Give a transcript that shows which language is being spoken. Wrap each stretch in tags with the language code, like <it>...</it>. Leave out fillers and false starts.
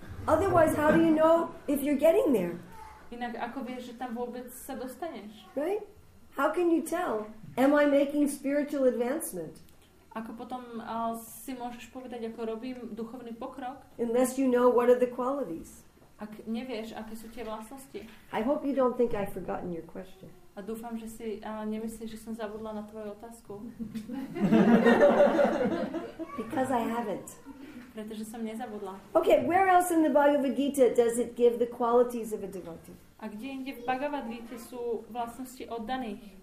<en>Otherwise, how do you know if you're getting there?</en> <sk>Inak ako vieš, že tam vôbec sa dostaneš?</sk> <en>Right? How can you tell? Am I making spiritual advancement?</en> <sk>Ako potom si môžeš povedať, ako robím duchovný pokrok?</sk> <en>Unless you know what are the qualities.</en> <sk>Ak nevieš, aké sú tie vlastnosti.</sk> <en>I hope you don't think I've forgotten your question.</en> <sk>A dúfam, že si nemyslíš, že som zabudla na tvoju otázku.</sk> <en>Because I haven't.</en> <sk>Pretože som nezabudla.</sk> <en>Okay, where else in the Bhagavad Gita does it give the qualities of a devotee?</en> <sk>A kde inde v Bhagavad Gita sú vlastnosti oddaných?</sk>